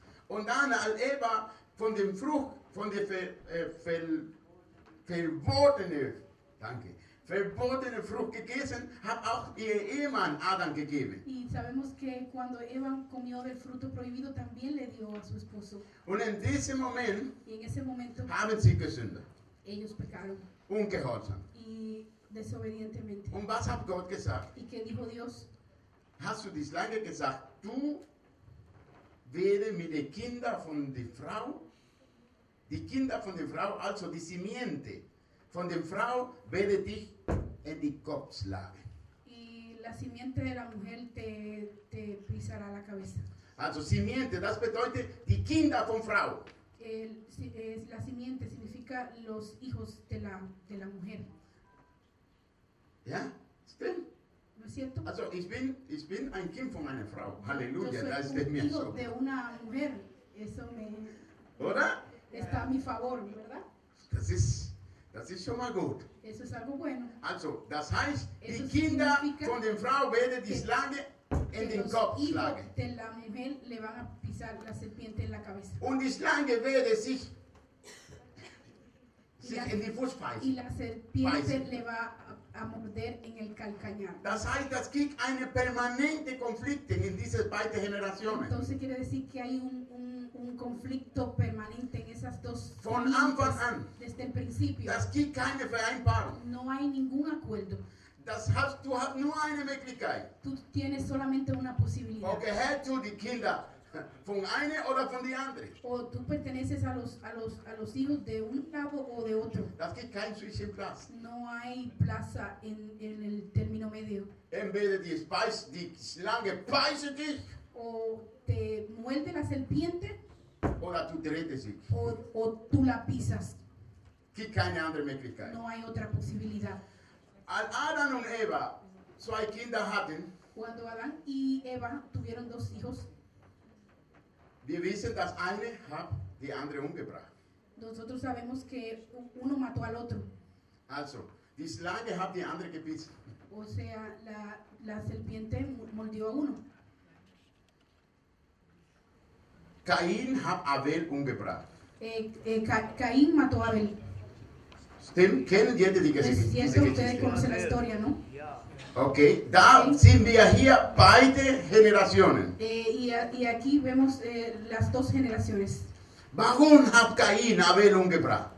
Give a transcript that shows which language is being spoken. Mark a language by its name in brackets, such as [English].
[German] Und dann als Eva von dem Frucht von der verbotene, danke. Verbotene Frucht gegessen, hat auch ihr Ehemann Adam gegeben. [Spanish] Y sabemos que cuando Eva comió del fruto prohibido también le dio a su esposo. [German] Und in diesem Moment, [Spanish] y en ese momento [German] haben sie gesündigt. [Spanish] Ellos pecaron. [German] Ungehorsam. [Spanish] Y desobedientemente. [German] Und was hat Gott gesagt? [Spanish] ¿Y qué dijo Dios? [German] Hast du die Schlange gesagt, du werde mit den Kindern von der Frau, die Kinder von der Frau, also die Simiente, von der Frau werde dich in den Kopf schlagen. [Spanish] Y la simiente de la mujer te pisará la cabeza. [German] Also simiente, das bedeutet die Kinder von Frau. [Spanish] La simiente significa los hijos de la mujer. [German] Ja, stimmt. [Spanish] ¿No es cierto? [German] Also ich bin ein Kind von einer Frau. Halleluja, da ist es mir so. [Spanish] Yo soy un hijo de una mujer. Eso me... [German] ¿Oder? [Spanish] Está a mi favor, ¿verdad? [German] Das ist schon mal gut. [Spanish] Eso es algo bueno. [German] Also, das heißt, die Kinder von der Frau werden die Schlange in den Kopf schlagen. [Spanish] De la mujer le van a pisar la serpiente en la cabeza. [German] Und die Schlange werde sich in die Fuß beißen. [Spanish] Y la serpiente [German] beißen. [Spanish] Le va a morder en el calcañar. [German] Das heißt, das gibt eine permanente Konflikt in diesen beiden Generationen. [Spanish] Entonces quiere decir que hay un conflicto permanente en esas dos [German] von Anfang an. [Spanish] Desde el principio. [German] Das gibt keine Vereinbarung. [Spanish] No hay ningún acuerdo. [German] Du hast nur eine Möglichkeit. [Spanish] Tú tienes solamente una posibilidad. [German] O gehörst du die Kinder von einer oder von der anderen. [Spanish] O tú perteneces a los hijos de un lado o de otro. [German] Das gibt keinen Zwischenplatz. [Spanish] No hay plaza en el término medio. [German] Entweder die Schlange beiße dich. [Spanish] O te muerde la serpiente. [German] Oder tú tretes. [Spanish] O tú la pisas. [German] Gibt keine andere Möglichkeit. [Spanish] No hay otra posibilidad. [German] Al Adán y Eva, zwei Kinder hatten. [Spanish] Cuando Adán y Eva tuvieron dos hijos. [German] Wir wissen, dass eine hat die andere umgebracht. [Spanish] Nosotros sabemos que uno mató al otro. [German] Also, die Schlange hat die andere gebissen. [Spanish] O sea, la serpiente mordió a uno. [German] Caín hat Abel umgebracht. [Spanish] Caín mató a Abel. [German] Stimmt? Kennen die Geschichte? [Spanish] Pues siento, [German] diese Geschichte. No? Okay, da sind wir hier beide Generationen. [Spanish] Y aquí vemos las dos generaciones. [German] Warum hat Caín Abel umgebracht?